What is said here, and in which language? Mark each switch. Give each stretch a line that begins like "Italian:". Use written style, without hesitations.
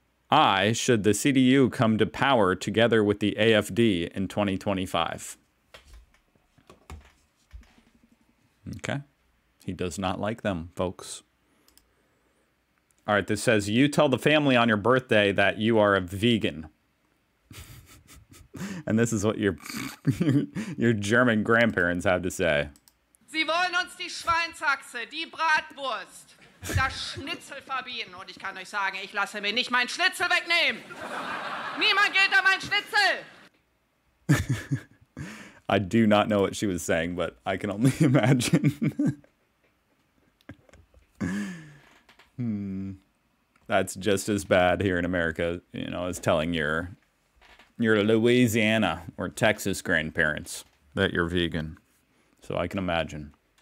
English: I, should the CDU come to power together with the AfD in 2025? Okay. He does not like them, folks. All right, this says, you tell the family on your birthday that you are a vegan. And this is what your your German grandparents have to say.
German: Sie wollen uns die Schweinshaxe, die Bratwurst, das Schnitzel verbieten. Und ich kann euch sagen, ich lasse mir nicht mein Schnitzel wegnehmen. Niemand geht an mein Schnitzel.
English: I do not know what she was saying, but I can only imagine. That's just as bad here in America, you know, as telling your Louisiana or Texas grandparents that you're vegan. So I can imagine.